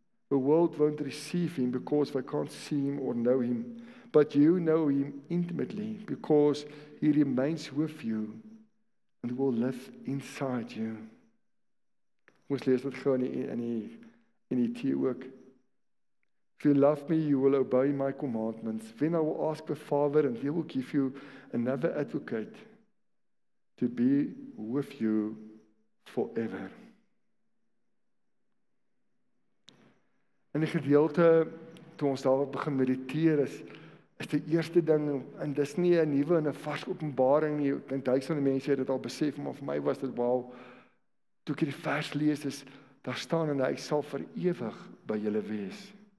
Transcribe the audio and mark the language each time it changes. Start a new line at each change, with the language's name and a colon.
English: The world won't receive him, because they can't see him or know him. But you know him intimately, because he remains with you, and will live inside you.
Afrikaans: Ons lees dit gou in die tee ook.
English: If you love me, you will obey my commandments. Then I will ask the Father, and he will give you another advocate to be with you forever.
Afrikaans: In die gedeelte, toe ons daar begin mediteer, is die eerste ding, en dis nie 'n nuwe en 'n vars openbaring nie, en duisende mense het dit al besef, maar vir my was dit wel, toe ek die vers lees, is, daar staan, en hy sal vir ewig by julle wees.